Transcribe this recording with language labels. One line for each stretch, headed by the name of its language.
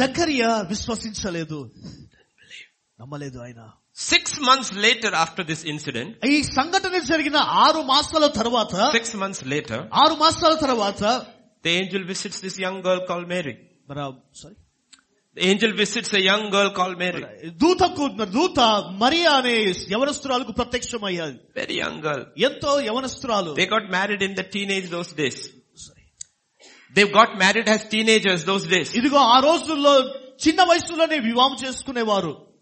Telugu: Zachariah విశ్వసించలేదు. నమ్మలేదు ఆయన.
English: 6 months later after this incident.
Telugu: ఈ సంఘటన జరిగిన ఆరు మాసాల తర్వాత.
English: 6 months later.
Telugu: ఆరు మాసాల తర్వాత.
English: The angel visits this young girl called Mary. Sorry. The angel visits a young girl called Mary.
Telugu: దూతకు దూత మరియ అనే యవనస్తురాలకు ప్రత్యక్షమయ్యాడు.
English: Very young girl.
Telugu: ఎంతో యవనస్తురాలు.
English: They got married in the teenage those days. They got married as teenagers those days.
Telugu: ఇదిగో ఆ రోజుల్లో చిన్న వయసులోనే వివాహం చేసుకునేవారు.